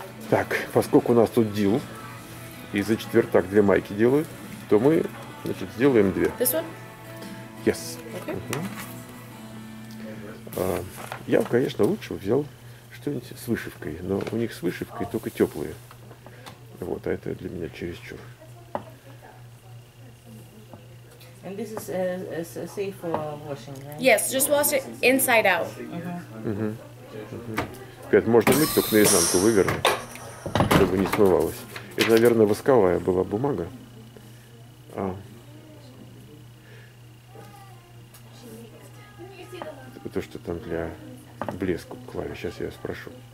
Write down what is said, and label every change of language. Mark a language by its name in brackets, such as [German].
[Russian] Так, поскольку у нас тут deal и за четвертак две майки делают, то мы, значит, сделаем две. [English] This one? Yes. Okay. [Russian] Я, конечно, лучше взял что-нибудь с вышивкой, но у них с вышивкой только теплые. Вот, а это для меня чересчур. [English] And this is safe for washing, right? Yes, just wash it inside out. [Russian] Говорят, можно мыть, только наизнанку выверни, чтобы не смывалось. Это, наверное, восковая была бумага. А. То, что там для блеску клави. Сейчас я спрошу.